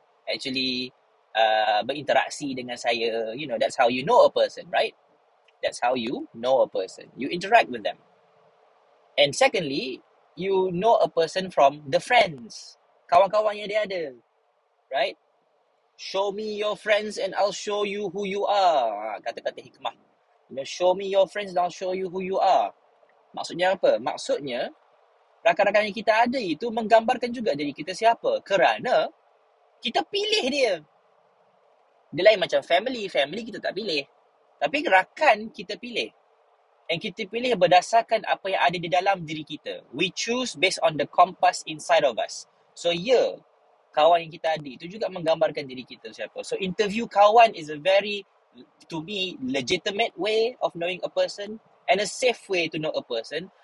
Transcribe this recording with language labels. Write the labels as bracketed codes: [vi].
[ms] Actually berinteraksi dengan saya. [en] You know, that's how you know a person, right? That's how you know a person. You interact with them. And secondly, you know a person from the friends, [ms] kawan-kawan yang dia ada, [en] right? Show me your friends and I'll show you who you are. [ms] Kata-kata hikmah. [en] You know, show me your friends and I'll show you who you are. [ms] Maksudnya apa? Maksudnya, rakan-rakan yang kita ada itu menggambarkan juga diri kita siapa. Kerana kita pilih dia. Dia lain macam family. Family kita tak pilih. Tapi rakan kita pilih. And kita pilih berdasarkan apa yang ada di dalam diri kita. [en] We choose based on the compass inside of us. [ms] So, kawan yang kita ada itu juga menggambarkan diri kita siapa. [en] So, interview kawan is a very, to me, legitimate way of knowing a person and a safe way to know a person.